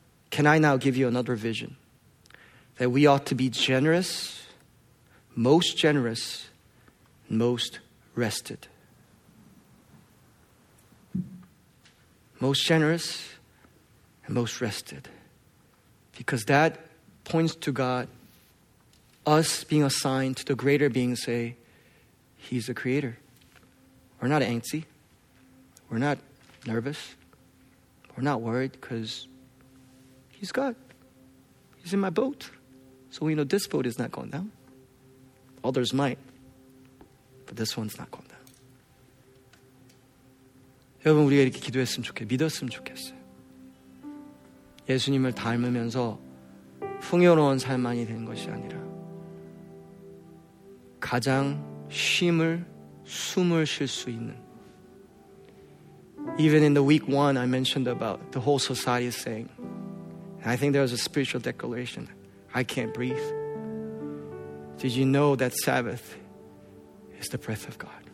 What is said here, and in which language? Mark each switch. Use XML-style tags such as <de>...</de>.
<en>Can I now give you another vision? That we ought to be generous, most rested. Most generous and most rested. Because that points to God, us being assigned to the greater being, say, He's the creator. We're not antsy. We're not nervous. We're not worried because he's God. He's in my boat. So we know this boat is not going down. Others might. But this one's not going down.</en> <ko>여러분, 우리가 이렇게 기도했으면 좋겠어요. 믿었으면 좋겠어요. 예수님을 닮으면서 풍요로운 삶만이 되는 것이 아니라 가장 쉼을 숨을 쉴 수 있는.</ko> <en>Even in the week one, I mentioned about the whole society is saying, and I think there was a spiritual declaration, I can't breathe. Did you know that Sabbath is the breath of God?</en>